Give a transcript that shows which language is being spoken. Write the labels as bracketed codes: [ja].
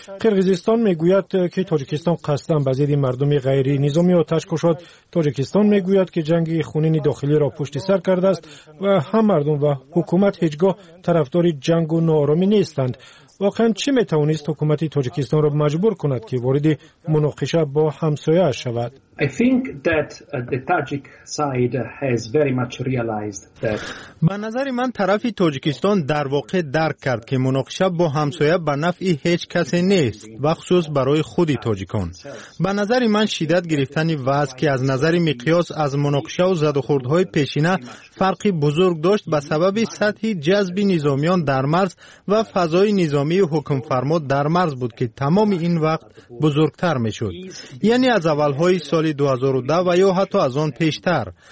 [fa] قرقیزستان میگوید که تاجیکستان قصدن به زیر مردم غیر نظامی آتش کشاد. تاجیکستان میگوید که جنگ خونین داخلی را پشت سر کرده است و هم مردم و حکومت هیچگاه طرفدار جنگ و نارامی نیستند. واقعا چی میتوانست حکومت تاجیکستان را مجبور کند که وارد مناقشه با همسایه اش شود؟ [en] I think that the Tajik side has very much realized that [fa] به نظر من طرف تاجیکستان در واقع درک کرد که مناقشه با همسایه به نفع هیچ کسی نیست و خصوص برای خود تاجیکان. به نظر من شدت گرفتن وضع که از نظر مقیاس از مناقشه و زد و خوردهای پیشینه فرقی بزرگ داشت به سبب سطح جذب نظامیان در مرز و فضای نظامی حکم فرما در مرز بود که تمام این وقت بزرگتر میشد، یعنی از اولهای سال 2010 و یا حتی از آن پیشتر.